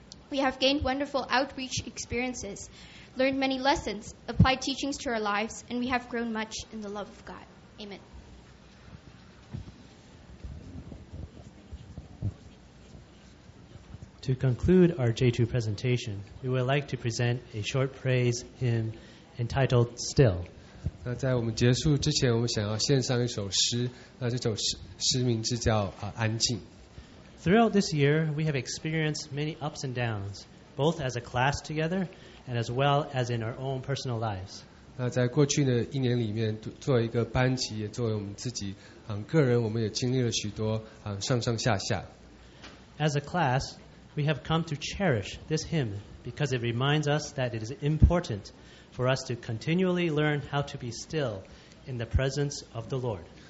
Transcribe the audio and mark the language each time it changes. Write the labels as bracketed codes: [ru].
[en] We have gained wonderful outreach experiences, learned many lessons, applied teachings to our lives, and we have grown much in the love of God. Amen. To conclude our J2 presentation, we would like to present a short praise hymn entitled Still. [zh] 那在我们结束之前，我们想要献上一首诗，那这首诗名字叫安静。 [en] Throughout this year, we have experienced many ups and downs, both as a class together and as well as in our own personal lives. [zh] 那在过去的一年里面，作为一个班级，也作为我们自己个人，我们也经历了许多上上下下。 [en] As a class, we have come to cherish this hymn because it reminds us that it is important for us to continually learn how to be still in the presence of the Lord.